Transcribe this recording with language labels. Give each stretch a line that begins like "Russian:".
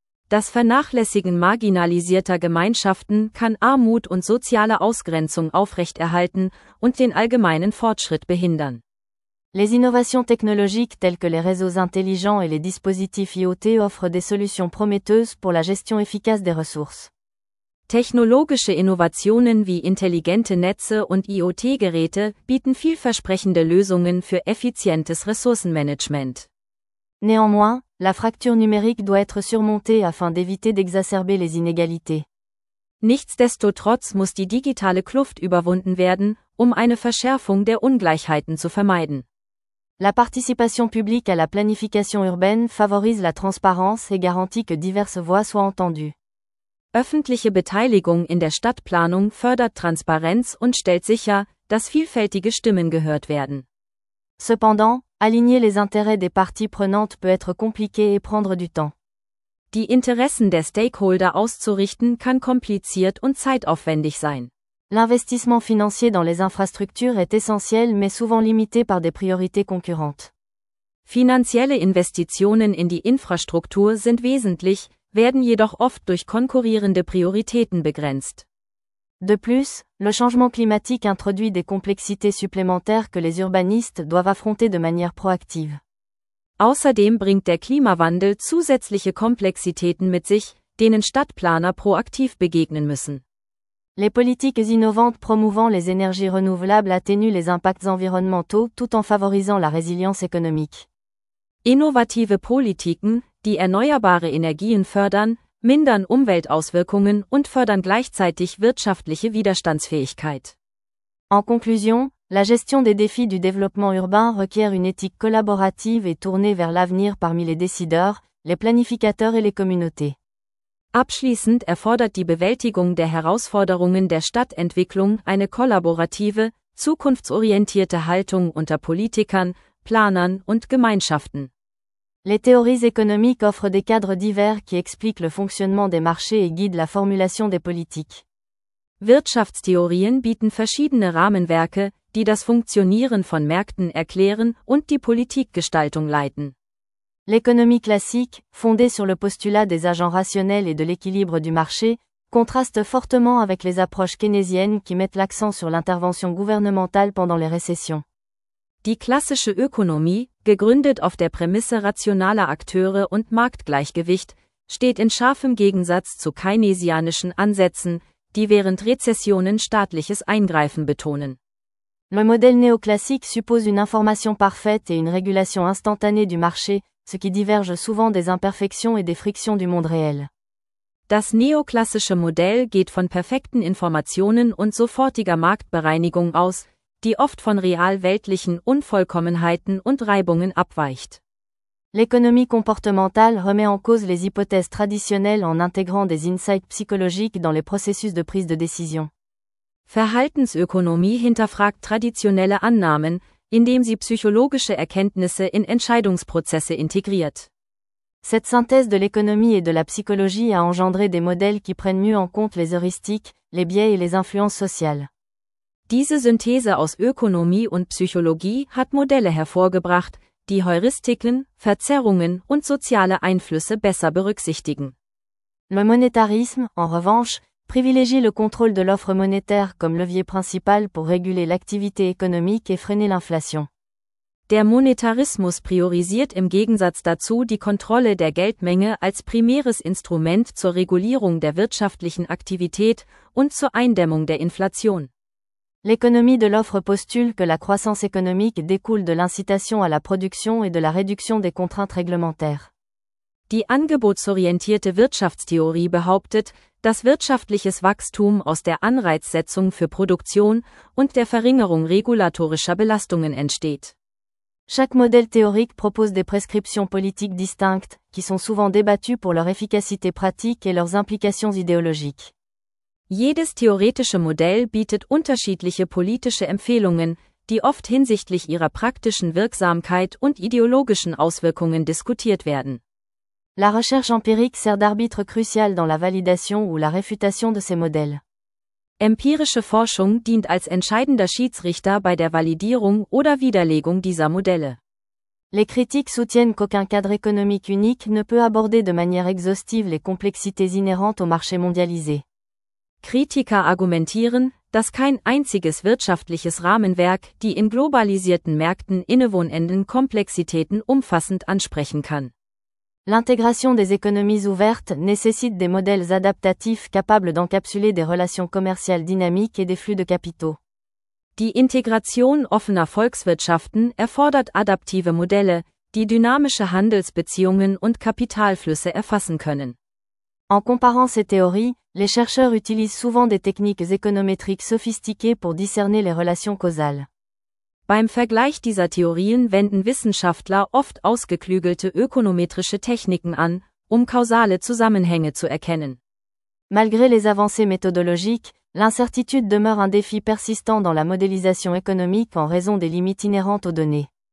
German: Das Vernachlässigen marginalisierter Gemeinschaften kann Armut und soziale Ausgrenzung aufrechterhalten und den allgemeinen Fortschritt behindern.
French: Les innovations technologiques telles que les réseaux intelligents et les dispositifs IoT offrent des solutions prometteuses pour la gestion efficace des ressources.
German: Technologische Innovationen wie intelligente Netze und IoT-Geräte bieten vielversprechende Lösungen für effizientes Ressourcenmanagement.
French: Néanmoins, la fracture numérique doit être surmontée afin d'éviter d'exacerber les inégalités.
German: Nichtsdestotrotz muss die digitale Kluft überwunden werden, um eine Verschärfung der Ungleichheiten zu vermeiden.
French: La participation publique à la planification urbaine favorise la transparence et garantit que diverses voix soient entendues.
German: Öffentliche Beteiligung in der Stadtplanung fördert Transparenz und stellt sicher, dass vielfältige Stimmen gehört werden.
French: Cependant, aligner les intérêts des parties prenantes peut être compliqué et prendre du temps.
German: Die Interessen der Stakeholder auszurichten kann kompliziert und zeitaufwendig sein.
French: L'investissement financier dans les infrastructures est essentiel mais souvent limité par des priorités concurrentes.
German: Finanzielle Investitionen in die Infrastruktur sind wesentlich, werden jedoch oft durch konkurrierende Prioritäten begrenzt.
French: De plus, le changement climatique introduit des complexités supplémentaires que les urbanistes doivent affronter de manière proactive.
German: Außerdem bringt der Klimawandel zusätzliche Komplexitäten mit sich, denen Stadtplaner proaktiv begegnen müssen.
French: Les politiques innovantes promouvant les énergies renouvelables atténuent les impacts environnementaux tout en favorisant la résilience économique.
German: Innovative Politiken, die erneuerbare Energien fördern, mindern Umweltauswirkungen und fördern gleichzeitig wirtschaftliche Widerstandsfähigkeit.
French: En conclusion, la gestion des défis du développement urbain requiert une éthique collaborative et tournée vers l'avenir parmi les décideurs, les planificateurs et les communautés.
German: Abschließend erfordert die Bewältigung der Herausforderungen der Stadtentwicklung eine kollaborative, zukunftsorientierte Haltung unter Politikern, Planern und Gemeinschaften.
French: Les théories économiques offrent des cadres divers qui expliquent le fonctionnement des marchés et guident la formulation des politiques.
German: Wirtschaftstheorien bieten verschiedene Rahmenwerke, die das Funktionieren von Märkten erklären und die Politikgestaltung leiten.
French: L'économie classique, fondée sur le postulat des agents rationnels et de l'équilibre du marché, contraste fortement avec les approches keynésiennes qui mettent l'accent sur l'intervention gouvernementale pendant les récessions.
German: Die klassische Ökonomie, gegründet auf der Prämisse rationaler Akteure und Marktgleichgewicht, steht in scharfem Gegensatz zu keynesianischen Ansätzen, die während Rezessionen staatliches Eingreifen betonen.
French: Le modèle néoclassique suppose une information parfaite et une régulation instantanée du marché, ce qui diverge souvent des imperfections et des frictions du monde réel.
German: Das neoklassische Modell geht von perfekten Informationen und sofortiger Marktbereinigung aus, die oft von realweltlichen Unvollkommenheiten und Reibungen abweicht.
French: L'économie comportementale remet en cause les hypothèses traditionnelles en intégrant des insights psychologiques dans les processus de prise de décision.
German: Verhaltensökonomie hinterfragt traditionelle Annahmen, indem sie psychologische Erkenntnisse in Entscheidungsprozesse integriert.
French: Cette synthèse de l'économie et de la psychologie a engendré des modèles qui prennent mieux en compte les heuristiques, les biais et les influences sociales.
German: Diese Synthese aus Ökonomie und Psychologie hat Modelle hervorgebracht, die Heuristiken, Verzerrungen und soziale Einflüsse besser berücksichtigen.
French: Le monétarisme, en revanche, privilégie le contrôle de l'offre monétaire comme levier principal pour réguler l'activité économique et freiner l'inflation.
German: Der Monetarismus priorisiert im Gegensatz dazu die Kontrolle der Geldmenge als primäres Instrument zur Regulierung der wirtschaftlichen Aktivität und zur Eindämmung der Inflation.
French: L'économie de l'offre postule que la croissance économique découle de l'incitation à la production et de la réduction des contraintes réglementaires.
German: Die angebotsorientierte Wirtschaftstheorie behauptet, dass wirtschaftliches Wachstum aus der Anreizsetzung für Produktion und der Verringerung regulatorischer Belastungen entsteht.
French: Chaque modèle théorique propose des prescriptions politiques distinctes, qui sont souvent débattues pour leur efficacité pratique et leurs implications idéologiques.
German: Jedes theoretische Modell bietet unterschiedliche politische Empfehlungen, die oft hinsichtlich ihrer praktischen Wirksamkeit und ideologischen Auswirkungen diskutiert werden.
French: La recherche empirique sert d'arbitre crucial dans la validation ou la réfutation de ces modèles.
German: Empirische Forschung dient als entscheidender Schiedsrichter bei der Validierung oder Widerlegung dieser Modelle.
French: Les critiques soutiennent qu'aucun cadre économique unique ne peut aborder de manière exhaustive les complexités inhérentes au marché mondialisé.
German: Kritiker argumentieren, dass kein einziges wirtschaftliches Rahmenwerk die in globalisierten Märkten innewohnenden Komplexitäten umfassend ansprechen kann.
French: L'intégration des économies ouvertes nécessite des modèles adaptatifs capables d'encapsuler des relations commerciales dynamiques et des flux de capitaux.
German: Die Integration offener Volkswirtschaften erfordert adaptive Modelle, die dynamische Handelsbeziehungen und Kapitalflüsse erfassen können.
French: En comparant ces théories, les chercheurs utilisent souvent des techniques économétriques sophistiquées pour discerner les relations causales.
German: Beim Vergleich dieser Theorien wenden Wissenschaftler oft ausgeklügelte ökonometrische Techniken an, um kausale Zusammenhänge zu erkennen.
French: Malgré les avancées méthodologiques, l'incertitude demeure un défi persistant dans la modélisation économique en raison des limites inhérentes aux données.